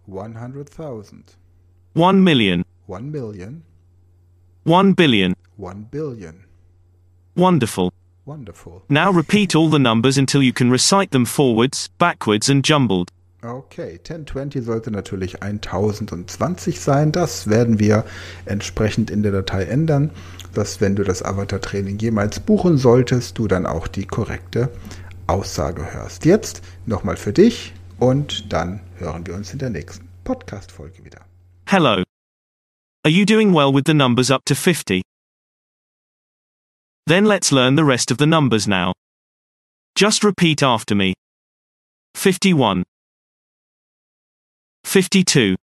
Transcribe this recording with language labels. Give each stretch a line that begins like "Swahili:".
English: 100,000. 1,000,000. 1,000,000. 1,000,000,000. 1,000,000,000. Wonderful. Wonderful. Now repeat all the numbers until you can recite them forwards, backwards and jumbled.
German: Okay, 1020 sollte natürlich 1020 sein. Das werden wir entsprechend in der Datei ändern, dass wenn du das Avatar-Training jemals buchen solltest, du dann auch die korrekte Aussage hörst. Jetzt nochmal für dich und dann hören wir uns in der nächsten Podcast-Folge wieder.
English: Hello. Are you doing well with the numbers up to 50? Then let's learn the rest of the numbers now. Just repeat after me. 51. 52.